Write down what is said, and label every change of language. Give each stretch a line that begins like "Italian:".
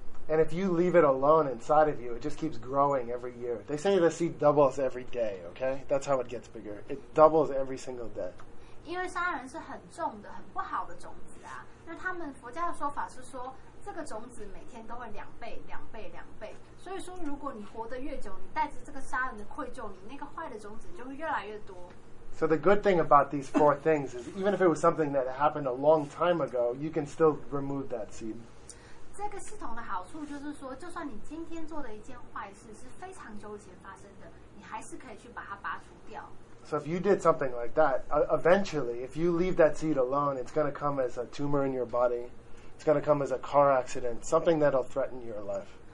English: And if you leave it alone inside of you, it just keeps growing every year. They say the seed doubles every day. Okay, that's how it gets bigger. It doubles every single day.
Chinese: 因为杀人是很重的、很不好的种子啊。那他们佛家的说法是说。
English: So the good thing about these four things is even if it was something that happened a long time ago, you can still remove that seed.
Chinese: 这个系统的好处就是说，就算你今天做了一件坏事，是非常久以前发生的，你还是可以去把它拔除掉。
English: So if you did something like that, eventually, if you leave that seed alone, it's going to come as a tumor in your body. It's going to come as a car accident, something that will threaten your life.